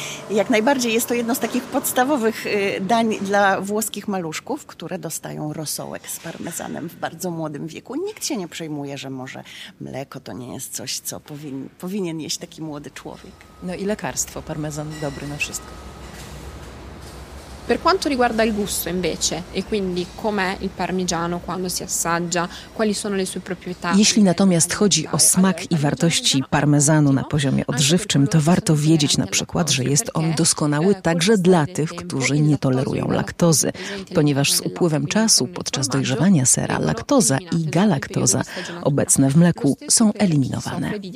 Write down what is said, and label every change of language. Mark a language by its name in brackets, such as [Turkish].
[Polish] Jak najbardziej. Jest to jedno z takich podstawowych dań dla włoskich maluszków, które dostają rosołek z parmezanem w bardzo młodym wieku. Nikt się nie przejmuje, że może mleko to nie jest coś, co powinien jeść taki młody człowiek. No i lekarstwo. Parmezan dobry na wszystko. [Italian] Per quanto riguarda il gusto, invece, e quindi com'è il parmigiano quando si assaggia, quali sono le sue proprietà? [Polish] Jeśli natomiast chodzi o smak i wartości parmezanu na poziomie odżywczym, to warto wiedzieć na przykład, że jest on doskonały także dla tych, którzy nie tolerują laktozy, ponieważ z upływem czasu podczas dojrzewania sera laktoza i galaktoza obecne w mleku są eliminowane.